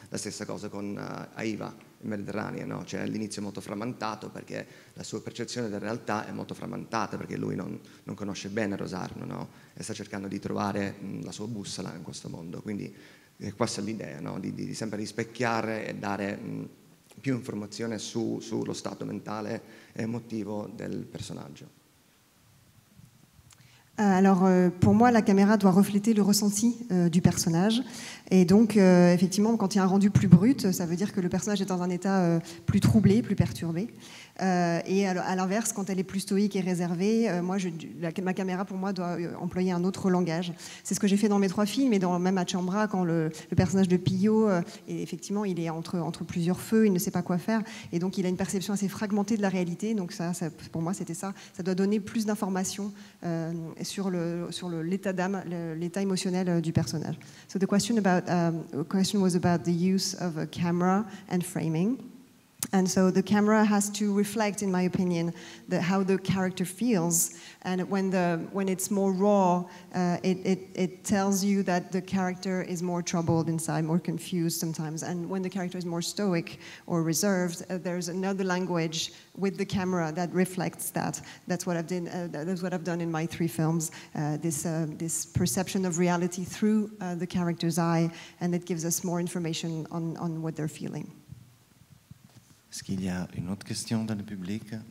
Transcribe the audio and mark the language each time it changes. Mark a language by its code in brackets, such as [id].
[it] La stessa cosa con Aiva. Mediterraneo, no? Cioè all'inizio molto frammentato perché la sua percezione della realtà è molto frammentata perché lui non conosce bene Rosarno, no? E sta cercando di trovare la sua bussola in questo mondo. Quindi questa è l'idea, no? di sempre rispecchiare e dare più informazione sullo stato mentale e emotivo del personaggio. [fr] Alors, pour moi, la caméra doit refléter le ressenti du personnage. Et donc, effectivement, quand il y a un rendu plus brut, ça veut dire que le personnage est dans un état plus troublé, plus perturbé. Et à l'inverse, quand elle est plus stoïque et réservée, ma caméra, pour moi, doit employer un autre langage. C'est ce que j'ai fait dans mes trois films, et même à Chambra, quand le personnage de Pio, effectivement, il est entre plusieurs feux, il ne sait pas quoi faire, et donc il a une perception assez fragmentée de la réalité. Donc ça pour moi, c'était ça. Ça doit donner plus d'informations sur l'état d'âme, l'état émotionnel du personnage. [en] So the question about question was about the use of a camera and framing. And so the camera has to reflect, in my opinion, how the character feels. And when it's more raw, it tells you that the character is more troubled inside, more confused sometimes. And when the character is more stoic or reserved, there's another language with the camera that reflects that. That's what I've done in my three films. This perception of reality through the character's eye, and it gives us more information on what they're feeling. [fr] Est-ce qu'il y a une autre question dans le public?